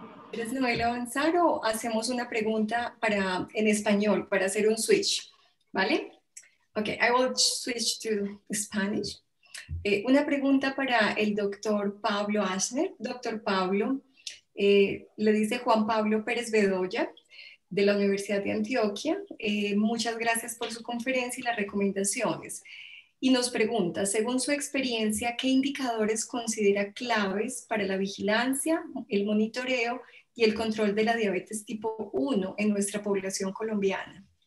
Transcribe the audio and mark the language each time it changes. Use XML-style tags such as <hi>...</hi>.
<es>¿Quieres Noel avanzar o hacemos una pregunta para en español para hacer un switch? ¿Vale?</es> <en>Okay, I will switch to Spanish.</en> <es>Una pregunta para el doctor Pablo Asner. Doctor Pablo, le dice Juan Pablo Pérez Bedoya de la Universidad de Antioquia. Muchas gracias por su conferencia y las recomendaciones. Y nos pregunta, según su experiencia, ¿qué indicadores considera claves para la vigilancia, el monitoreo y el control de la diabetes tipo 1 en nuestra población colombiana?</es>